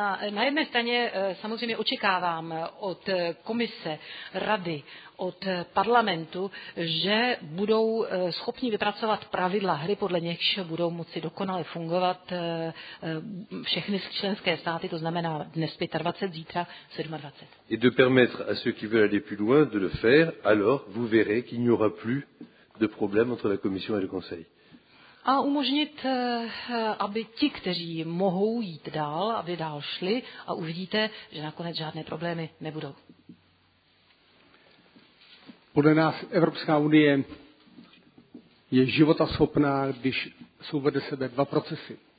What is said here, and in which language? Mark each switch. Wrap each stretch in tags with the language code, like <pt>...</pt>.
<cs>Na jedné straně samozřejmě očekávám od komise, rady, od parlamentu, že budou schopni vypracovat pravidla hry, podle nichž budou moci dokonale fungovat všechny členské státy, to znamená dnes 25, zítra 27.</cs> <fr>Et de permettre à ceux qui veulent aller plus loin de le faire, alors vous verrez qu'il n'y aura plus de problème entre la Commission et le Conseil.</fr> <cs>A umožnit, aby ti, kteří mohou jít dál, aby dál šli a uvidíte, že nakonec žádné problémy nebudou. Podle nás Evropská unie je životaschopná, když jsou vedle sebe dva procesy.</cs>